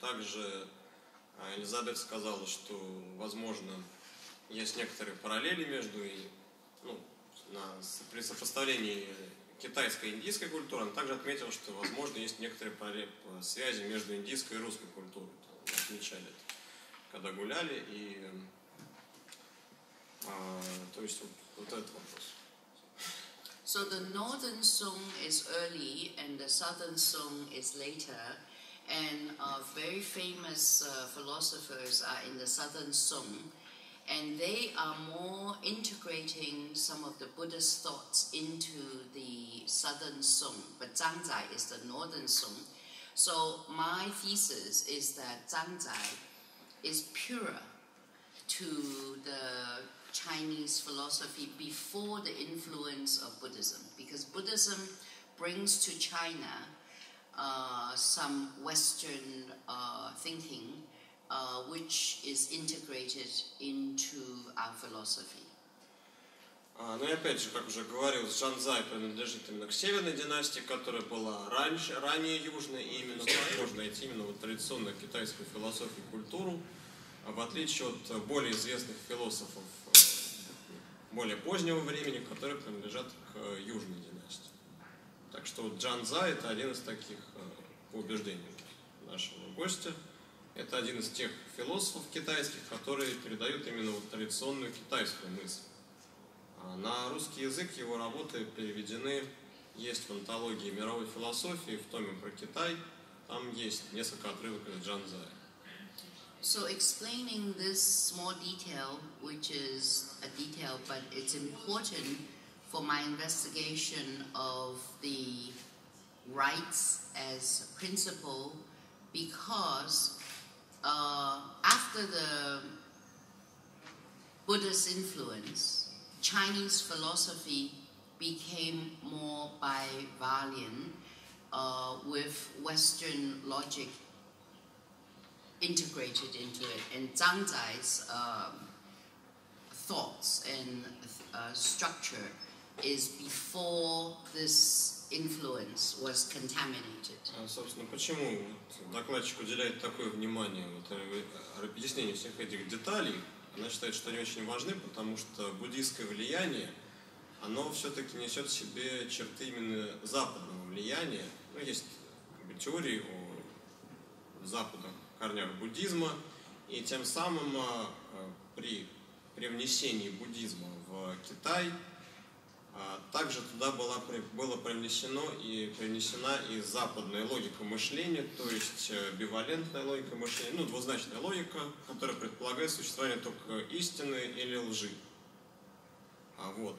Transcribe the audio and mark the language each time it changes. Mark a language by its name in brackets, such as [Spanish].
[Russian] Также Элизабет сказала, что, возможно, есть некоторые параллели между, ну, при сопоставлении китайской и индийской культуры. Она также отметила, что, возможно, есть некоторые связи между индийской и русской культурой. Отмечали это, когда гуляли, и то есть вот этот вопрос. [English] So the Northern Song is early and the Southern Song is later, and very famous philosophers are in the Southern Song, and they are more integrating some of the Buddhist thoughts into the Southern Song, but Zhang Zai is the Northern Song. So my thesis is that Zhang Zai is purer to the Chinese philosophy before the influence of Buddhism, because Buddhism brings to China some Western thinking which is integrated into our philosophy. [Russian] Ну и опять же, как уже говорил, Шанзай принадлежит именно к северной династии, которая была раньше, ранее южной, и именно там можно найти именно вот традиционную китайскую философию и культуру, в отличие от более известных философов более позднего времени, которые принадлежат к южной династии. Так что вот Шанзай — это один из таких, по убеждению нашего гостя, это один из тех философов китайских, которые передают именно вот традиционную китайскую мысль. На русский язык его работы переведены, есть в антологии мировой философии, в томе про Китай, там есть несколько отрывков из Шанзая. [English] So explaining this small detail, which is a detail, but it's important for my investigation of the rites as principle, because after the Buddha's influence, Chinese philosophy became more bivalent with Western logic integrated into it. And Zhang Zai's thoughts and structure is before this influence was contaminated. [Russian] Собственно, почему докладчик уделяет такое внимание вот объяснению всех этих деталей? Она считает, что они очень важны, потому что буддийское влияние, оно все-таки несет в себе черты именно западного влияния. Ну, есть теории о западных корнях буддизма, и тем самым при внесении буддизма в Китай также туда была принесена и западная логика мышления, то есть бивалентная логика мышления, ну, двузначная логика, которая предполагает существование только истины или лжи. Вот.